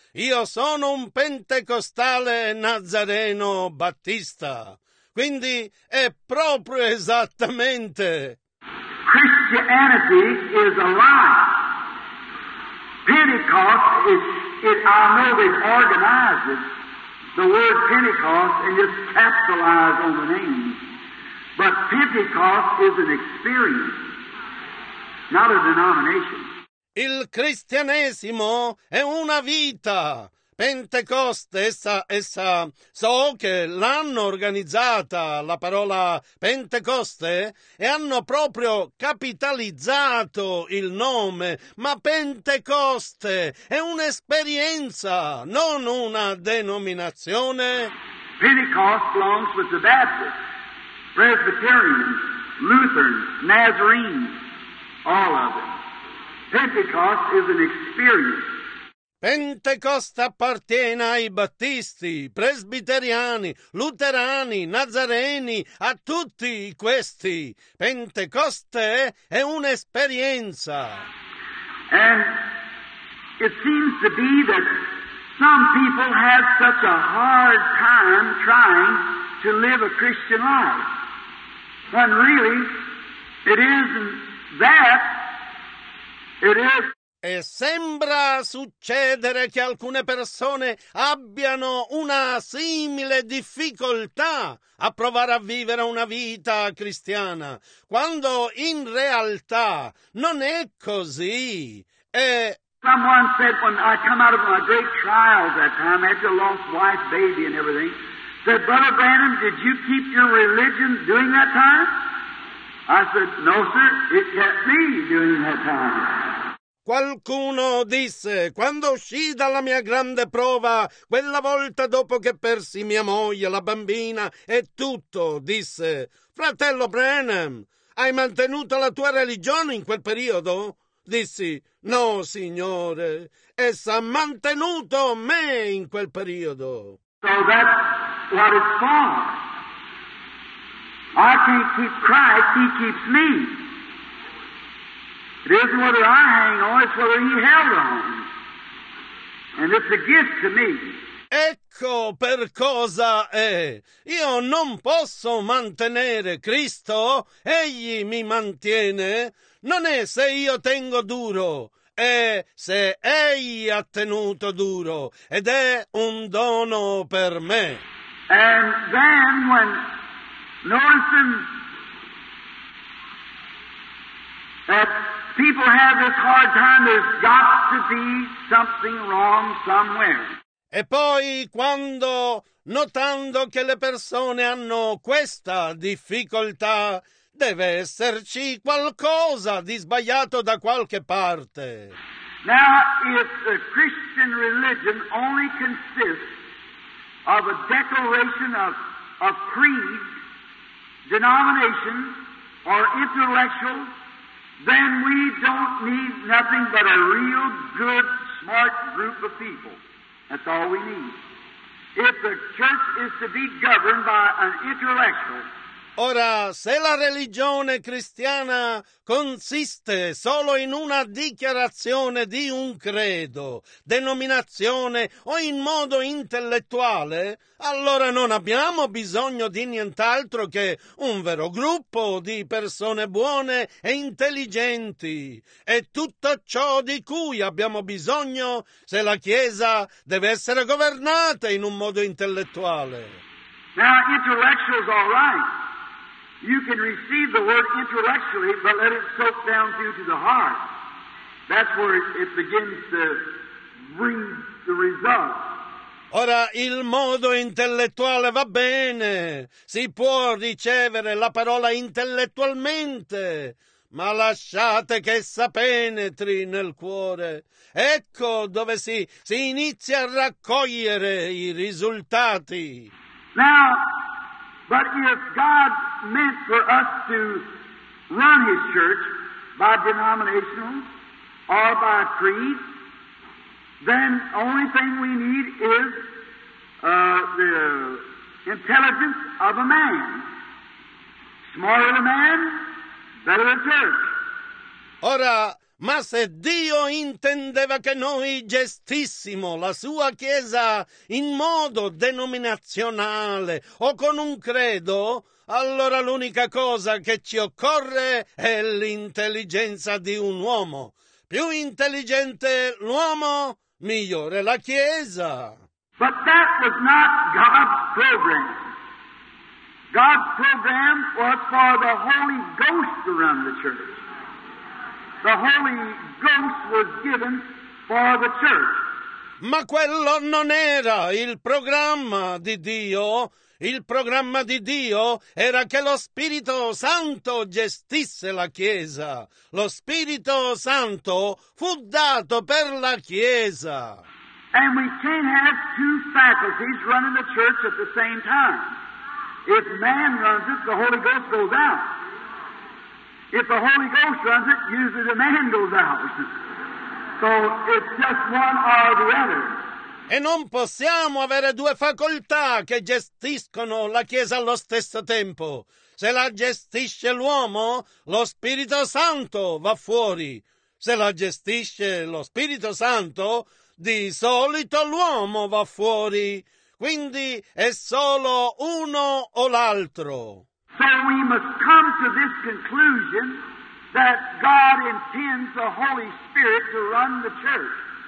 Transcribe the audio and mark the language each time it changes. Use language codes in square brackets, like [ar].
[it] Io sono un pentecostale nazareno battista. Quindi è proprio esattamente. [en] Christianity is a lie. Pentecost is, it, I know it organizes the word Pentecost and just capitalize on the name. But Pentecost is an experience, not a denomination. [it] Il cristianesimo è una vita. Pentecoste, essa, so che l'hanno organizzata, la parola Pentecoste, e hanno proprio capitalizzato il nome. Ma Pentecoste è un'esperienza, non una denominazione. [en] Pentecost belongs with the Baptist, Presbyterian, Lutheran, Nazarene, all of them. Pentecost is an experience. [it] Pentecoste appartiene ai battisti, presbiteriani, luterani, nazareni, a tutti questi. Pentecoste è un'esperienza. [en] And it seems to be that some people have such a hard time trying to live a Christian life. When really it isn't that. It is. [it] E sembra succedere che alcune persone abbiano una simile difficoltà a provare a vivere una vita cristiana, quando in realtà non è così. E [en] someone said when I come out of my great trial that time, had a lost wife, baby and everything, said, Brother Branham, did you keep your religion during that time? I said, no sir, it kept me during that time. [it] Qualcuno disse, quando uscì dalla mia grande prova, quella volta dopo che persi mia moglie, la bambina e tutto, disse, fratello Branham, hai mantenuto la tua religione in quel periodo? Dissi, no, signore, essa ha mantenuto me in quel periodo. [en] So that's what it's for. I can't keep Christ, he keeps me. It isn't whether I hang on, it's whether he held on. And it's a gift to me. [it] Ecco per cosa è. Io non posso mantenere Cristo. Egli mi mantiene. Non è se io tengo duro. È se egli ha tenuto duro. Ed è un dono per me. [en] And then when noticing that people have this hard time, there's got to be something wrong somewhere. [it] E poi quando, notando che le persone hanno questa difficoltà, deve esserci qualcosa di sbagliato da qualche parte. [en] Now, if the Christian religion only consists of a declaration of a creed, denomination, or intellectual, then we don't need nothing but a real good, smart group of people. That's all we need. If the church is to be governed by an intellectual. [it] Ora, se la religione cristiana consiste solo in una dichiarazione di un credo, denominazione o in modo intellettuale, allora non abbiamo bisogno di nient'altro che un vero gruppo di persone buone e intelligenti. È tutto ciò di cui abbiamo bisogno se la Chiesa deve essere governata in un modo intellettuale. [en] Now, intellectuals are right. You can receive the word intellectually, but let it soak down through to the heart. That's where it begins to bring the result. [it] Ora il modo intellettuale va bene, si può ricevere la parola intellettualmente, ma lasciate che essa penetri nel cuore. Ecco dove si inizia a raccogliere i risultati. [en] Now, but if God meant for us to run His church by denominational or by creed, then only thing we need is the intelligence of a man. Smarter the man, better the church. [it] Ora, ma se Dio intendeva che noi gestissimo la sua chiesa in modo denominazionale o con un credo, allora l'unica cosa che ci occorre è l'intelligenza di un uomo. Più intelligente l'uomo, migliore la chiesa. [en] But that was not God's program. God's program was for the Holy Ghost to run the church. The Holy Ghost was given for the church. [it] Ma quello non era il programma di Dio. Il programma di Dio era che lo Spirito Santo gestisse la Chiesa. Lo Spirito Santo fu dato per la Chiesa. [en] And we can't have two faculties running the church at the same time. If man runs it, the Holy Ghost goes out. If the Holy Ghost runs it, usually the man goes out. So it's just one or the other. [it] E non possiamo avere due facoltà che gestiscono la Chiesa allo stesso tempo. Se la gestisce l'uomo, lo Spirito Santo va fuori. Se la gestisce lo Spirito Santo, di solito l'uomo va fuori. Quindi è solo uno o l'altro. [en] So we must come to this conclusion that God intends the Holy Spirit to run the church.